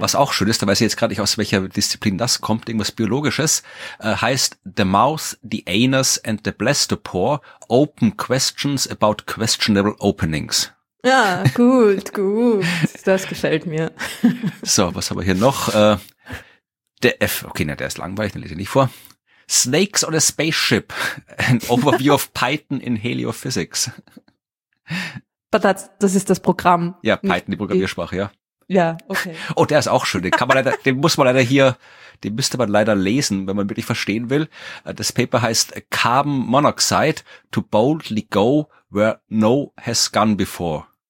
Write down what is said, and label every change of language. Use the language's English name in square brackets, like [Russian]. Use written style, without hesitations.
[German] Was auch schön ist, da weiß ich jetzt gerade nicht, aus welcher Disziplin das kommt, irgendwas Biologisches, heißt [English] The Mouth, the Anus and the Blastopore, Open Questions about Questionable Openings. [German] Ja, gut, gut. Das gefällt mir. So, was haben wir hier noch? Der ist langweilig, den lese ich nicht vor. [English] Snakes on a Spaceship, [German] an Overview of Python in Heliophysics. But das ist das Programm. Ja, Python, die Programmiersprache, ja. Ja, okay. Oh, der ist auch schön. Den müsste man leider lesen, wenn man wirklich verstehen will. Das Paper heißt [English] Carbon Monoxide to Boldly Go Where No Has Gone Before.